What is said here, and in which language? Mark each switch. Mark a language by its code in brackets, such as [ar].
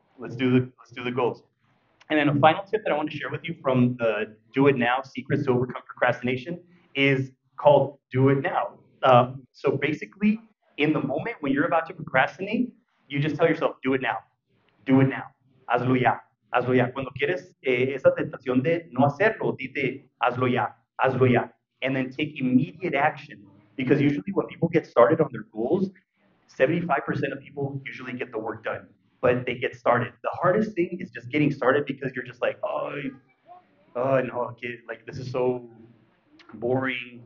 [en] Let's do the goals. And then a final tip that I want to share with you from the Do It Now Secrets to Overcome Procrastination is called Do It Now. So basically, in the moment when you're about to procrastinate, you just tell yourself, do it now. Do it now. [es] Hazlo ya. Hazlo ya. Cuando quieres esa tentación de no hacerlo, dite, hazlo ya. Hazlo ya. [en] And then take immediate action. Because usually when people get started on their goals, 75% of people usually get the work done. But they get started. The hardest thing is just getting started because you're just like, oh no, this is so boring.